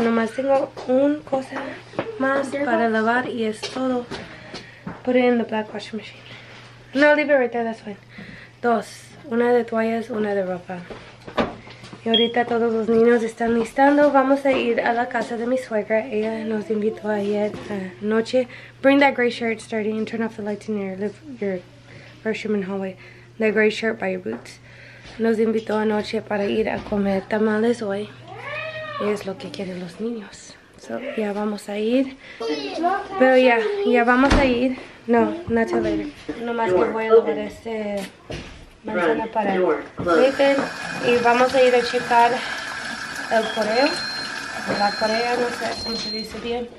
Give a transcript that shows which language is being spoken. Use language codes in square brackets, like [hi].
[es] Nomás tengo una cosa más para lavar y es todo. [en] Put it in the black washing machine. No, leave it right there, that's fine. [es] Dos, una de toallas, una de ropa. Y ahorita todos los niños están listando. Vamos a ir a la casa de mi suegra. Ella nos invitó ayer noche. [en] Bring that gray shirt, starting, and turn off the lights in your restroom and hallway. The gray shirt by your boots. [es] Nos invitó anoche para ir a comer tamales hoy. Y es lo que quieren los niños. So, ya vamos a ir. Pero ya, ya vamos a ir. [en] No, not till later. [es] Nomás que voy a lavar este... manzana para Nathan, y vamos a ir a checar el correo, la correa, no sé cómo se dice bien.